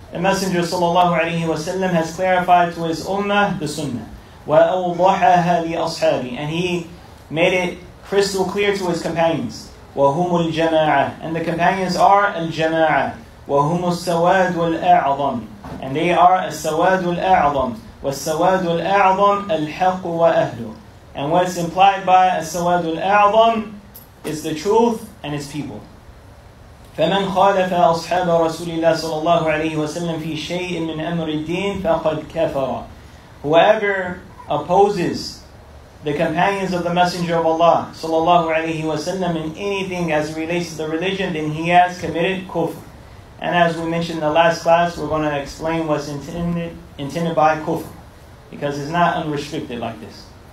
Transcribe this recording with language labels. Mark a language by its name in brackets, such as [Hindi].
[English] The Messenger صلى الله عليه وسلم has clarified to his ummah the sunnah. [Arabic] وَأَوْضَحَهَا لِأَصْحَابِ. [English] And he made it crystal clear to his companions. [Arabic] وهم الجماعة. [English] And the companions are الجماعة. [Arabic] وهم السواد والأعظم. [English] And they are السواد والأعظم. [Arabic] والسواد والأعظم الحق وأهله. [English] And what's implied by السواد والأعظم is the truth and its people. [Arabic] فمن خالف أصحاب رسول الله صلى الله عليه وسلم في شيء من أمر الدين فقد كفر. [English] Whoever opposes the companions of the Messenger of Allah sallallahu alayhi wa sallam in anything as it relates to the religion, then he has committed kufr. And as we mentioned in the last class, we're going to explain what's intended by kufr, because it's not unrestricted like this.